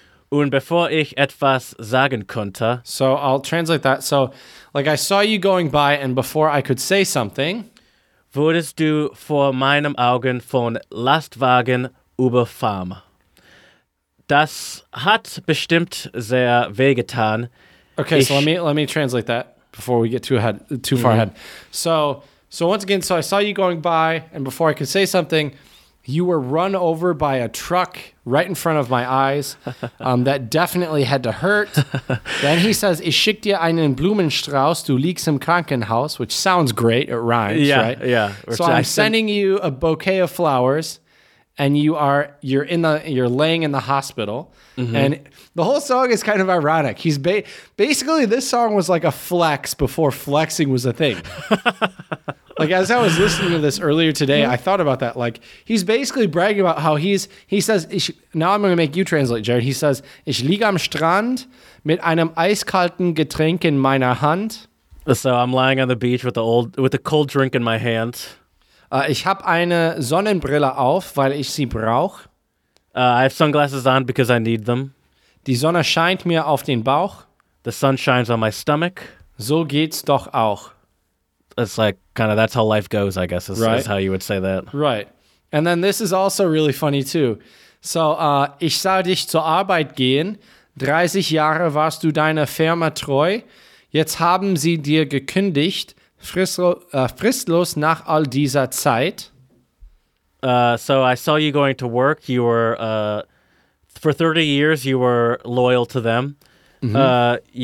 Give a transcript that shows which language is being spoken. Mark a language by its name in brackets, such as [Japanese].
[German] Und bevor ich etwas sagen konnte. [English] So I'll translate that. So, like, I saw you going by, and before I could say something. [German] Wurdest du vor meinen Augen von Lastwagen überfahren. Das hat bestimmt sehr wehgetan. [English] Okay, so let me translate that before we get too far ahead. So once again, I saw you going by, and before I could say something, you were run over by a truck right in front of my eyes. That definitely had to hurt. Then he says, [German] "Ich schick dir einen Blumenstrauß, du liegst im Krankenhaus," [English] which sounds great. It rhymes, right? Yeah. So I'm sending you a bouquet of flowers, and you're laying in the hospital. Mm-hmm. And the whole song is kind of ironic. He's basically, this song was like a flex before flexing was a thing. Like, as I was listening to this earlier today, I thought about that. Like, he's basically bragging about how he says, now I'm going to make you translate, Jared. He says, [German] "Ich liege am Strand mit einem eiskalten Getränk in meiner Hand." [English] So I'm lying on the beach with a cold drink in my hand. [German] Ich habe eine Sonnenbrille auf, weil ich sie brauche. [English] I have sunglasses on because I need them. [German] Die Sonne scheint mir auf den Bauch. [English] The sun shines on my stomach. [German] So geht's doch auch. [English] It's like, kind of, that's how life goes, I guess, is how you would say that. Right. And then this is also really funny, too. [German] So, ich sah dich zur Arbeit gehen. 30 Jahre warst du deiner Firma treu. Jetzt haben sie dir gekündigt. Fristlos nach all dieser Zeit. [English] So I saw you going to work. You were, for 30 years, you were loyal to them. Mm-hmm.